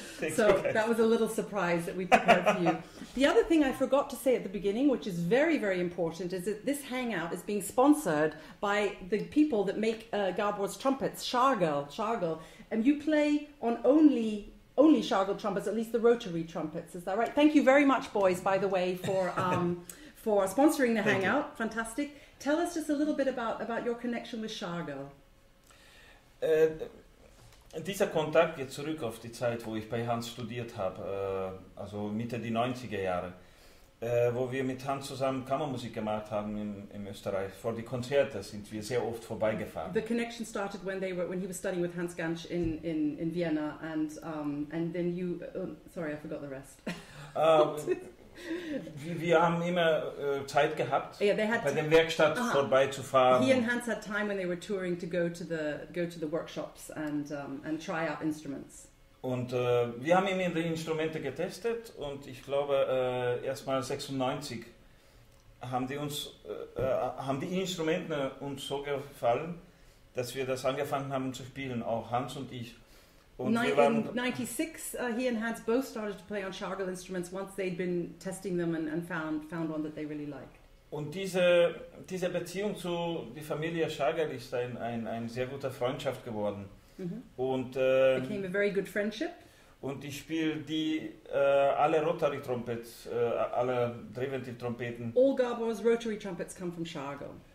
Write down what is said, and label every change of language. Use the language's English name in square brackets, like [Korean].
[English] So that was a little surprise that we prepared for you. The other thing I forgot to say at the beginning, which is very, very important, is that this hangout is being sponsored by the people that make Gabor's trumpets, Schargel. And you play on only Schargel trumpets, at least the rotary trumpets, is that right? Thank you very much, boys, by the way, for sponsoring the hangout. You. Fantastic. Tell us just a little bit about your connection with Schargel. [German] Dieser Kontakt geht zurück auf die Zeit, wo ich bei Hans studiert habe, also Mitte der 90er Jahre, wo wir mit Hans zusammen Kammermusik gemacht haben in Österreich. Vor die Konzerte sind wir sehr oft vorbeigefahren. [English] The connection started when he was studying with Hans Gansch in Vienna, and then you... sorry, I forgot the rest. [German] Wir haben immer Zeit gehabt, [English] yeah, they had [German] bei dem Werkstatt vorbeizufahren. [English] He and Hans had time when they were touring to go to the workshops and try out instruments. [German] Und wir haben ihm die Instrumente getestet und ich glaube erstmal 96 haben die Instrumente uns so gefallen, dass wir das angefangen haben zu spielen, auch Hans und ich. [English] In 96, he and Hans both started to play on Schargel instruments once they'd been testing them and found one that they really liked. [German] Und diese Beziehung zu die Familie Schargel ist ein sehr guter Freundschaft geworden. Mm-hmm. Und [English] became a very good friendship. [German] Und ich spiele die alle Rotary Trompets, alle Driventive Trompeten. [English] All Gabor's Rotary Trumpets come from Schargel.